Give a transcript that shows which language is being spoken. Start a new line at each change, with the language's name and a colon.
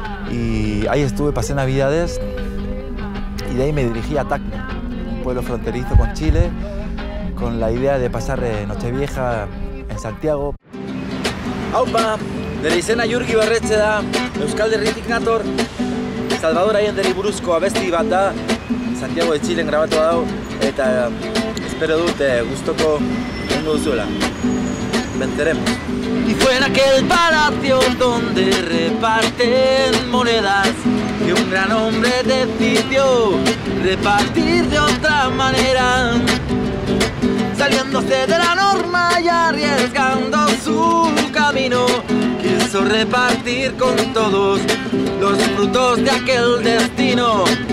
Spanish: Y ahí estuve, pasé navidades, y de ahí me dirigí a Tacna, un pueblo fronterizo con Chile, con la idea de pasar Nochevieja en Santiago.
Basque: ¡Aupa! Nere izena Jurgi Barretxe da, Euskal Herritik nator, Salvador Allenderi buruzko abesti bat da, Santiago de Chilen grabatu dago, eta espero dut gustoko ingo duzuela.
Spanish: Venceremos. Y fue en aquel palacio donde reparten monedas que un gran hombre decidió repartir de otra manera, saliéndose de la norma y arriesgando su camino, quiso repartir con todos los frutos de aquel destino.